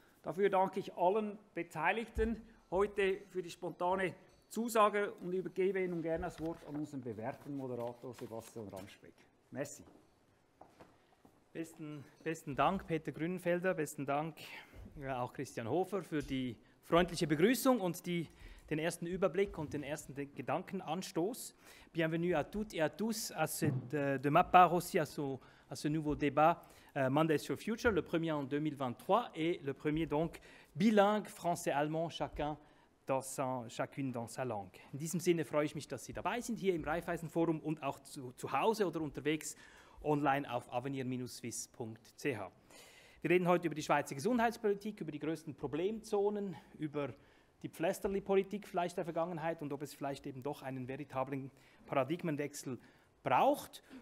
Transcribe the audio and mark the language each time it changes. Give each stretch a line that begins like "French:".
German: Dafür danke ich allen Beteiligten heute für die spontane Zusage und übergebe Ihnen gerne das Wort an unseren bewährten Moderator Sebastian Ramschbeck.
French: Merci.
German: Besten Dank, Peter Grünenfelder. Besten Dank auch Christian Hofer für die freundliche Begrüßung und den ersten Überblick und den ersten Gedankenanstoß.
French: Bienvenue à toutes et à tous à cette, de ma part aussi à ce nouveau débat Mondays for Future, le premier en 2023 et le premier donc bilingue français-allemand chacun. Chacune dans sa langue.
German: In diesem Sinne freue ich mich, dass Sie dabei sind hier im Raiffeisen Forum und auch zu Hause oder unterwegs online auf avenir-swiss.ch. Wir reden heute über die Schweizer Gesundheitspolitik, über die größten Problemzonen, über die Pflästerli-Politik vielleicht der Vergangenheit und ob es vielleicht eben doch einen veritablen Paradigmenwechsel braucht.